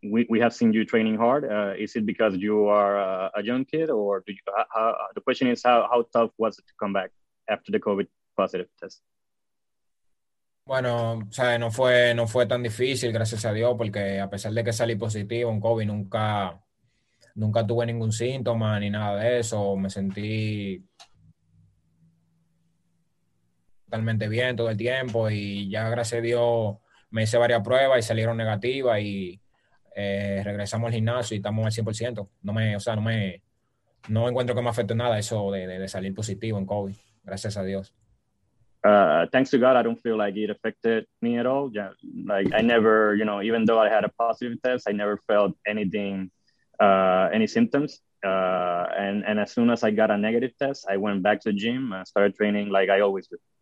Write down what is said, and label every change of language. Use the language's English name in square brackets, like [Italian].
[English] We have seen you training hard. Is it because you are a young kid, or do you? The question is how tough was it to come back after the COVID positive test? [Spanish] Bueno, o sea, no fue tan difícil, gracias a Dios, porque a pesar de que salí positivo en COVID, nunca tuve ningún síntoma ni nada de eso. Me sentí totalmente bien todo el tiempo y ya, gracias a Dios, me hice varias pruebas y salieron negativas y regresamos al gimnasio y estamos al 100%. No encuentro que me afecte nada eso de salir positivo en COVID, gracias a Dios. [English] Thanks to God, I don't feel like it affected me at all. Yeah, like I never, you know, even though I had a positive test, I never felt anything, any symptoms. And as soon as I got a negative test, I went back to the gym and started training like I always do.